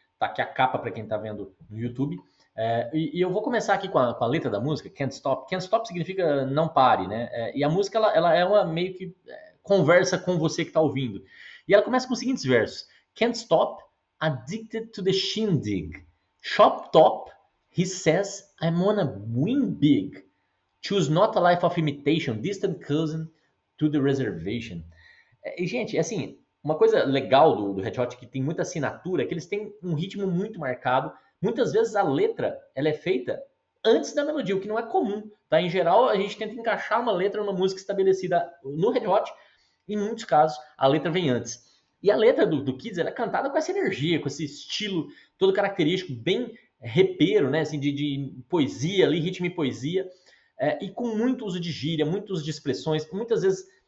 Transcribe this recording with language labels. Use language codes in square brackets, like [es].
[pt] Tá aqui a capa para quem tá vendo no YouTube. E eu vou começar aqui com a letra da música, Can't Stop. Can't Stop significa não pare, né? E a música, ela é uma meio que conversa com você que tá ouvindo. E ela começa com os seguintes versos: [en] Can't Stop, Addicted to the Shindig, Shop Top. He says, I'm gonna win big. Choose not a life of imitation, distant cousin to the reservation. [pt] E, gente, assim, uma coisa legal do Red Hot, que tem muita assinatura, é que eles têm um ritmo muito marcado. Muitas vezes a letra, ela é feita antes da melodia, o que não é comum, tá? Em geral, a gente tenta encaixar uma letra numa música estabelecida no Red Hot. Em muitos casos, a letra vem antes. E a letra do Kids, ela é cantada com essa energia, com esse estilo todo característico, bem repeiro, né, assim, de poesia ali, ritmo e poesia, e com muito uso de gíria, muito uso de expressões, muitas vezes